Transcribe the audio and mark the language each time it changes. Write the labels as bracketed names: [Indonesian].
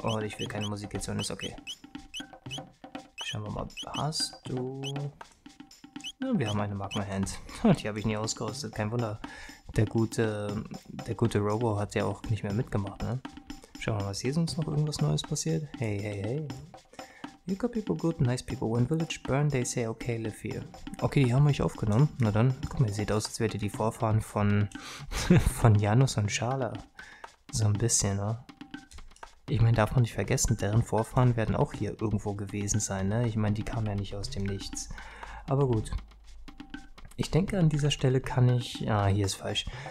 [German] Oh, ich will keine Musik jetzt hören, ist okay. Schauen wir mal, hast du... Ja, wir haben eine Magma Hand. Die habe ich nie ausgerüstet, kein Wunder. Der gute Robo hat ja auch nicht mehr mitgemacht, ne? Schauen wir mal, ist hier sonst noch irgendwas Neues passiert? [English] Hey, hey, hey. You got people good, nice people. When village burn, they say okay, live here. [German] Okay, die haben euch aufgenommen. Na dann, guck mal, ihr seht aus, als wärt ihr die Vorfahren von, von Janus und Schala. So ein bisschen, ne? Ich meine, darf man nicht vergessen, deren Vorfahren werden auch hier irgendwo gewesen sein, ne? Ich meine, die kamen ja nicht aus dem Nichts. Aber gut. Ich denke, an dieser Stelle kann ich... Ah, hier ist falsch.